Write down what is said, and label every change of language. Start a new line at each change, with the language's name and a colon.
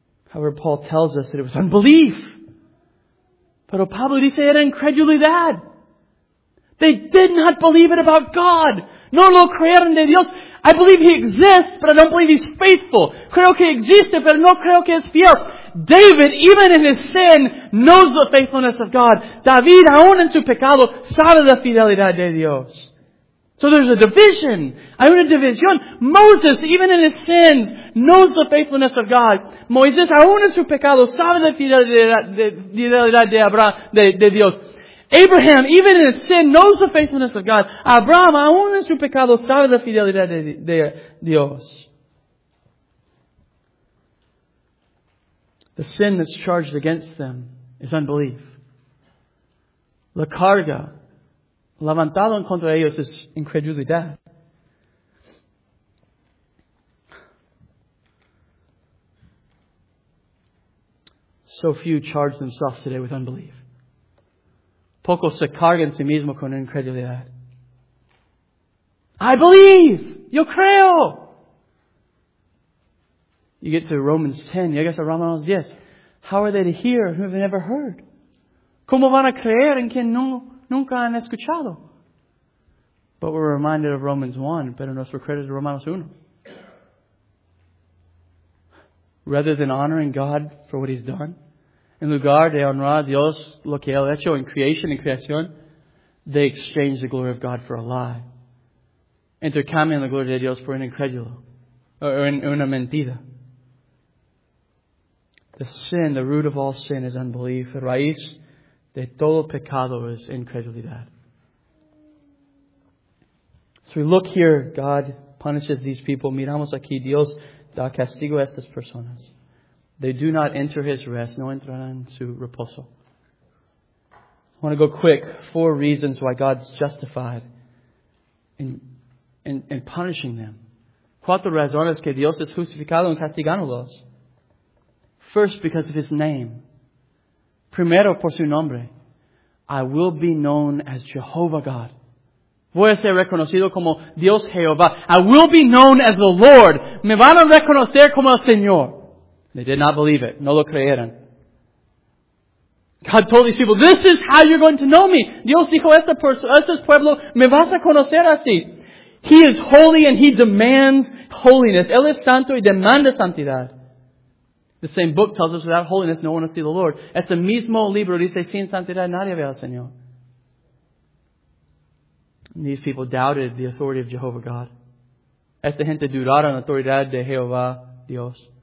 English: However, Paul tells us that it was unbelief.
Spanish: Pero Pablo dice era incredulidad.
English: They did not believe it about God.
Spanish: No lo creyeron de Dios.
English: I believe He exists, but I don't believe He's faithful.
Spanish: Creo que existe, pero no creo que es fiel.
English: David, even in his sin, knows the faithfulness of God.
Spanish: David, aún en su pecado, sabe la fidelidad de Dios.
English: So there's a division.
Spanish: Hay una división.
English: Moses, even in his sins, knows the faithfulness of God.
Spanish: Moisés, aún en su pecado, sabe la fidelidad de Abraham, de Dios.
English: Abraham, even in his sin, knows the faithfulness of God.
Spanish: Abraham, aún en su pecado, sabe la fidelidad de Dios.
English: The sin that's charged against them is unbelief.
Spanish: La carga levantado en contra de ellos es incredulidad.
English: So few charge themselves today with unbelief.
Spanish: Pocos se cargan sí mismo con incredulidad.
English: I believe!
Spanish: Yo creo!
English: You get to Romans 10, you get to Romanos 10. How are they to hear who have never heard?
Spanish: ¿Cómo van a creer en quien nunca han escuchado?
English: But we're reminded of Romans 1,
Spanish: pero nos recuerda de Romanos 1.
English: Rather than honoring God for what He's done,
Spanish: en lugar de honrar a Dios lo que Él ha hecho en creación y creación,
English: they exchange the glory of God for a lie.
Spanish: Intercambian la gloria de Dios por un incrédulo, o una mentira.
English: The sin, the root of all sin is unbelief.
Spanish: La raíz de todo pecado es incredulidad.
English: So we look here, God punishes these people.
Spanish: Miramos aquí, Dios da castigo a estas personas.
English: They do not enter His rest,
Spanish: no entran en su reposo.
English: I want to go quick. Four reasons why God's justified in punishing them.
Spanish: Cuatro razones que Dios es justificado en castigándolos.
English: First, because of His name.
Spanish: Primero, por su nombre.
English: I will be known as Jehovah God.
Spanish: Voy a ser reconocido como Dios Jehová.
English: I will be known as the Lord.
Spanish: Me van a reconocer como el Señor.
English: They did not believe it.
Spanish: No lo creyeron.
English: God told these people, this is how you're going to know me.
Spanish: Dios dijo a este pueblo, me vas a conocer así.
English: He is holy and He demands holiness.
Spanish: Él es santo y demanda santidad.
English: The same book tells us without holiness no one will see the Lord.
Spanish: Este mismo libro dice sin santidad nadie ve al Señor.
English: And these people doubted the authority of Jehovah God.
Spanish: Esta gente dudaron la autoridad de Jehová Dios.